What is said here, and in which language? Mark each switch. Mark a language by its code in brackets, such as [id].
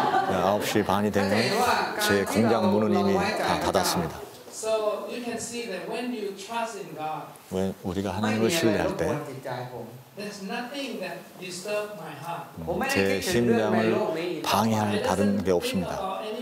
[ko] 9시 반이 되면 제 공장 문은 이미 다 닫았습니다. [en] So you can see that when you trust in God, [ko] 왜 우리가 하나님을 신뢰할 때, [en] there's nothing that disturb my heart. [ko] 제 심장을 방해할 다른 게 없습니다.